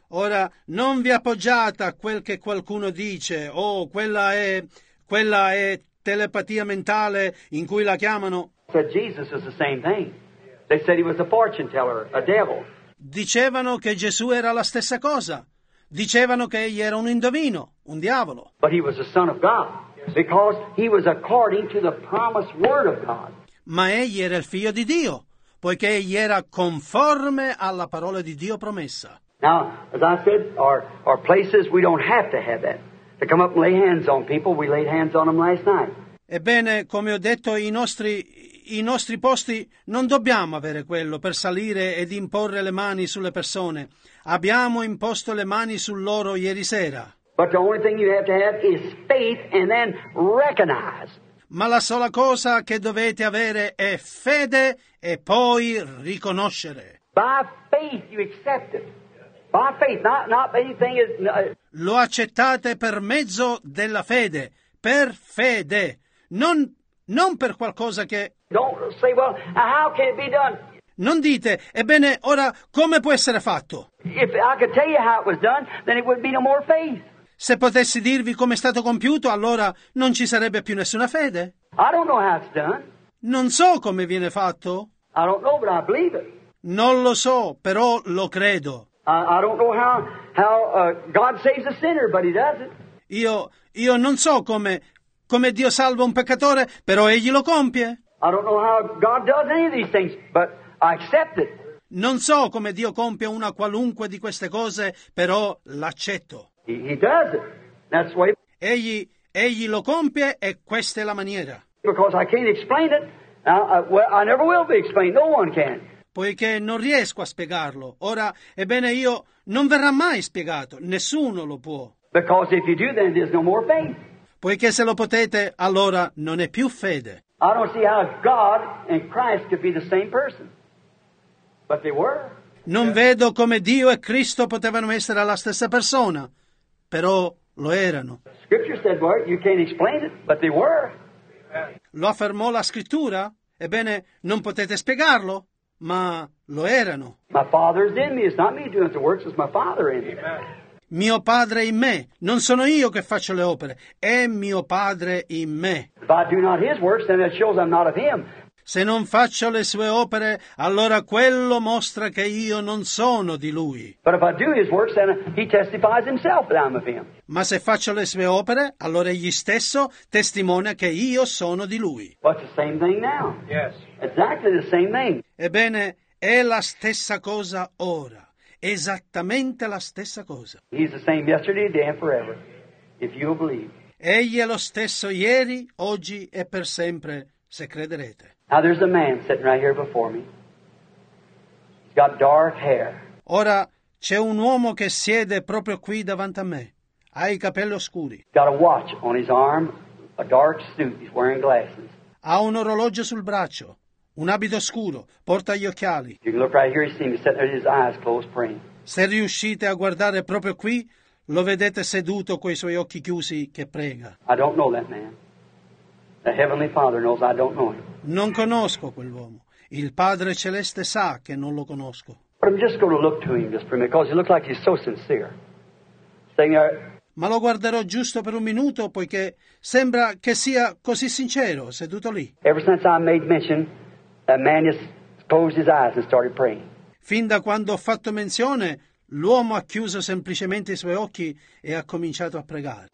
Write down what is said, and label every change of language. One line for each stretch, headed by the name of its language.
Italian: Ora, non vi appoggiate a quel che qualcuno dice, oh, quella è telepatia mentale in cui la chiamano.
English: Said Jesus is the same thing. They said he was a fortune teller, a devil.
Italian: Dicevano che Gesù era la stessa cosa. Dicevano che egli era un indovino, un diavolo.
English: But he was the son of God because he was according to the promised word of God.
Italian: Ma egli era il figlio di Dio, poiché egli era conforme alla parola di Dio promessa.
English: Now, as I said, our places we don't have to have that. To come up and lay hands on people, we laid hands on them last night.
Italian: Ebbene, come ho detto, i nostri posti non dobbiamo avere quello per salire ed imporre le mani sulle persone. Abbiamo imposto le mani su loro ieri sera.
English: But the only thing you have to have is faith and then recognize.
Italian: Ma la sola cosa che dovete avere è fede e poi riconoscere.
English: By faith you accept it. By faith, not anything is...
Italian: Lo accettate per mezzo della fede. Per fede. Non per qualcosa che...
English: Don't say, well, how can it be done?
Italian: Non dite, ebbene, ora, come può essere fatto?
English: If I could tell you how it was done, then it wouldn't be no more faith.
Italian: Se potessi dirvi come è stato compiuto, allora non ci sarebbe più nessuna fede.
English: I don't know how it's done.
Italian: Non so come viene fatto.
English: I don't know, but I believe it.
Italian: Non lo so, però lo credo.
English: I don't know how God saves a sinner, but he does it.
Italian: Io non so come Dio salva un peccatore, però egli lo compie.
English: I don't know how God does any of these things, but I accept it.
Italian: Non so come Dio compie una qualunque di queste cose, però l'accetto.
English: He does it. That's why.
Italian: Egli lo compie e questa è la maniera.
English: Because I can't explain it. I never will be explained. No one can.
Italian: Poiché non riesco a spiegarlo. Ora, ebbene, io non verrà mai spiegato. Nessuno lo può.
English: Because if you do, then there's no more faith.
Italian: Poiché se lo potete, allora non è più fede.
English: I don't see how God and Christ could be the same person. But they were.
Italian: Non vedo come Dio e Cristo potevano essere la stessa persona, però lo erano.
English: Scripture said, well, you can't explain it, but they were.
Italian: Lo affermò la Scrittura? Ebbene, non potete spiegarlo, ma lo erano.
English: My father is in me. It's not me doing the works, it's my father in me.
Italian: Mio padre in me. Non sono io che faccio le opere. È mio padre in me.
English: If I do not his works, then it shows I'm not of him.
Italian: Se non faccio le sue opere, allora quello mostra che io non sono di lui.
English: But if I do his works, then he testifies himself that I'm of him.
Italian: Ma se faccio le sue opere, allora egli stesso testimonia che io sono di lui.
English: But the same thing now. Yes. Exactly the same thing.
Italian: Ebbene, è la stessa cosa ora. Esattamente la stessa cosa.
English: He's the same yesterday, today, and forever. If you believe.
Italian: Egli è lo stesso ieri, oggi e per sempre, se crederete.
English: Now there's a man sitting right here before me. He's got dark hair.
Italian: Ora c'è un uomo che siede proprio qui davanti a me. Ha i capelli scuri.
English: Got a watch on his arm, a dark suit. He's wearing glasses.
Italian: Ha un orologio sul braccio, un abito scuro, porta gli occhiali.
English: You can look right here, you see him sitting there with his eyes closed praying.
Italian: Se riuscite a guardare proprio qui, lo vedete seduto coi suoi occhi chiusi che prega.
English: I don't know that man. The Heavenly Father knows I don't know him.
Italian: Non conosco quell'uomo. Il Padre Celeste sa che non lo conosco.
English: But I'm just going to look to him just for a minute because he looks like he's so sincere. Saying,
Italian: ma lo guarderò giusto per un minuto poiché sembra che sia così sincero seduto lì.
English: Ever since I made mention, that man just closed his eyes and started praying.
Italian: Fin da quando ho fatto menzione, l'uomo ha chiuso semplicemente i suoi occhi e ha cominciato a pregare.